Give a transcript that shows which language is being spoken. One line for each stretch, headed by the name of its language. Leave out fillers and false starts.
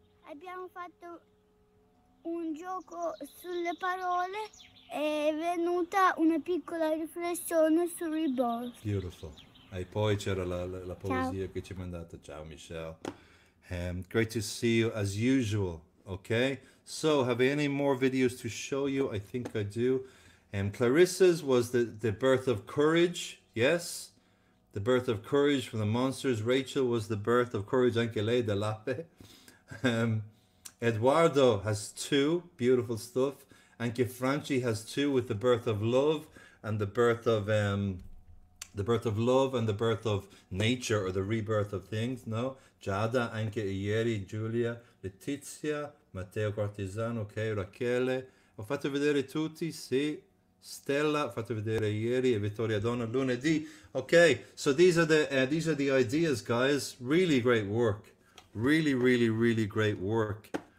Italian: Abbiamo fatto un gioco sulle parole e è venuta una piccola riflessione su Rebirth.
English: Beautiful.
Italian: E poi c'era la poesia che ci ha mandato.
English: Ciao, Michelle. Great to see you as usual. Okay. So, have I any more videos to show you? I think I do. Clarissa's was the birth of courage. Yes. The birth of courage from the monsters. Rachel was the birth of courage.
Italian: Anche lei,
English: the lape. Eduardo has two, beautiful stuff. Anche Franci has two with the birth of love and the birth of nature or the rebirth of things, no?
Italian: Giada, anche ieri, Giulia, Letizia, Matteo Cortesano, ok, Rachele. Ho fatto vedere tutti, sì. Stella, ho fatto vedere ieri e Vittoria Donna lunedì.
English: Ok, so these are the ideas, guys. Really great work. Really, really, really great work.